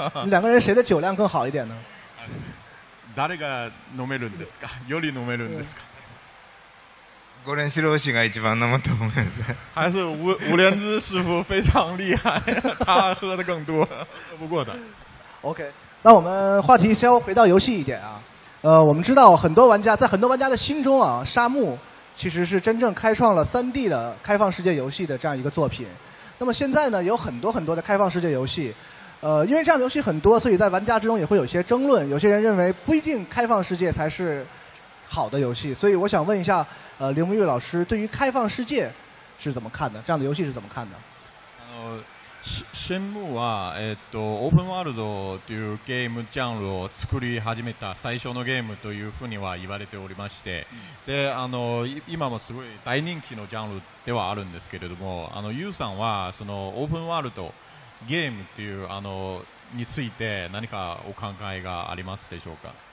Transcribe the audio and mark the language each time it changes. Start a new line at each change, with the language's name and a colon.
Chinese: 两个人谁的酒量更好一点呢
Japanese: 誰が飲めるんですかより飲めるんですか五连枝老师が一番飲むと思います
Chinese: 还是吴连枝师傅非常厉害他喝的更多喝不过的 OK 那我们话题稍微回到游戏一点啊我们知道很多玩家在很多玩家的心中啊沙漠其实是真正开创了 3D 的开放世界游戏的这样一个作品那么现在呢有很多很多的开放世界游戏因为这样的游戏很多所以在玩家之中也会有些争论有些人认为不一定开放世界才是好的游戏所以我想问一下铃木玉老师对于开放世界是怎么看的这样的游戏是怎么看的
Japanese: シェンムーは、オープンワールドというゲームジャンルを作り始めた最初のゲームというふうには言われておりまして、で、今もすごい大人気のジャンルではあるんですけれども、ユウさんはそのオープンワールドゲームというについて何かお考えがありますでしょうか。